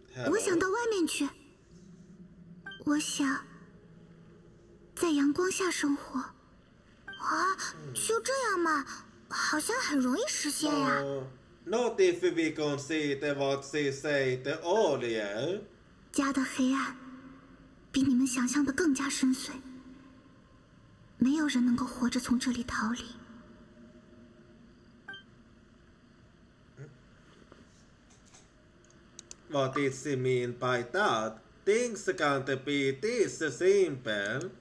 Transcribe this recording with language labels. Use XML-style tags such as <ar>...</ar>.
<zh>我想到外面去，我想在阳光下生活。啊，就这样嘛，好像很容易实现呀。</zh> <en>Not if we consider what she said earlier.</en> <zh>家的黑暗比你们想象的更加深邃，没有人能够活着从这里逃离。</zh> <en>What did she mean by that? Things can't be this simple.</en>